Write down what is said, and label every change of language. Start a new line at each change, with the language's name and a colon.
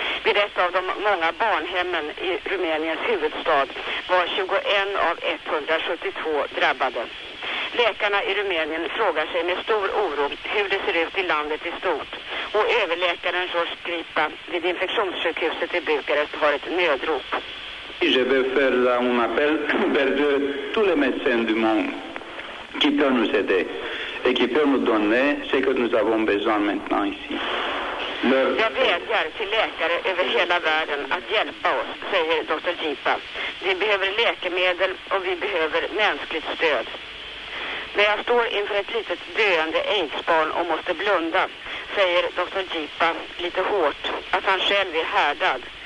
Swedish: Vid ett av de många barnhemmen i Rumäniens huvudstad var 21 av 172 drabbade. Läkarna i Rumänien frågar sig med stor oro hur det ser ut i landet i stort. Och överläkaren George Gripa vid infektionssjukhuset i Bukarest har ett nödrop.
French: Je vais faire là un appel pour tous les médecins du monde qui peuvent nous aider et qui peuvent nous donner ce que nous avons besoin maintenant ici.
Swedish: Jag vädjar till läkare över hela världen att hjälpa oss, säger Dr. Gripa. Vi behöver läkemedel och vi behöver mänskligt stöd. När jag står inför ett litet döende AIDS-barn och måste blunda, säger Dr. Gripa lite hårt att han själv är härdad.